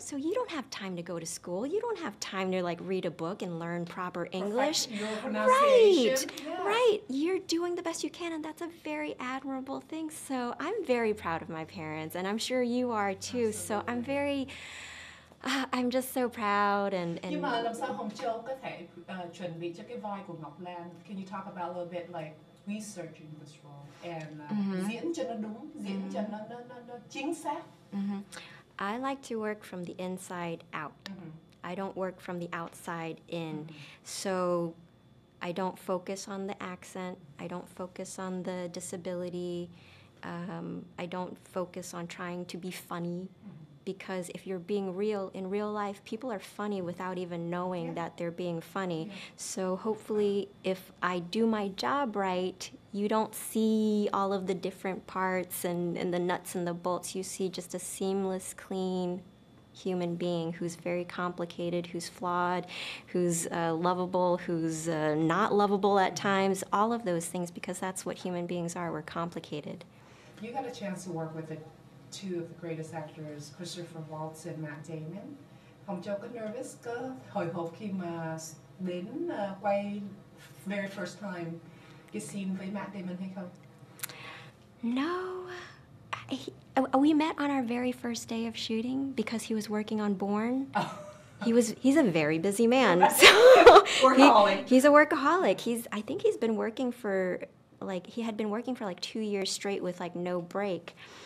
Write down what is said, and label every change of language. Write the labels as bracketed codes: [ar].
[en] So you don't have time to go to school. You don't have time to like read a book and learn proper English. Right. Yeah. Right. You're doing the best you can, and that's a very admirable thing. So I'm very proud of my parents, and I'm sure you are too. Absolutely. So I'm very I'm just so proud and [vi] nhưng mà làm sao Hồng Châu có thể chuẩn bị cho cái vai của Ngọc Lan? [en] Can you talk about a little bit like researching this role and [vi] diễn cho nó đúng, diễn cho nó chính xác? [en] I like to work from the inside out. Mm-hmm. I don't work from the outside in. Mm-hmm. So I don't focus on the accent. I don't focus on the disability. I don't focus on trying to be funny. Mm-hmm. Because if you're being real in real life, people are funny without even knowing that they're being funny. Yeah. So hopefully if I do my job right, you don't see all of the different parts and the nuts and the bolts. You see just a seamless, clean human being who's very complicated, who's flawed, who's lovable, who's not lovable at times, all of those things, because that's what human beings are. We're complicated. You got a chance to work with it. Two of the greatest actors, Christopher Waltz and Matt Damon. [vi] Hồng Châu có nervous cơ hồi hộp khi mà đến quay [en] very first time [vi] cái scene với Matt Damon hay không? [en] No. We met on our very first day of shooting because he was working on Born. Oh. He's a very busy man. So workaholic. He's a workaholic. I think he's been working for 2 years straight with like no break.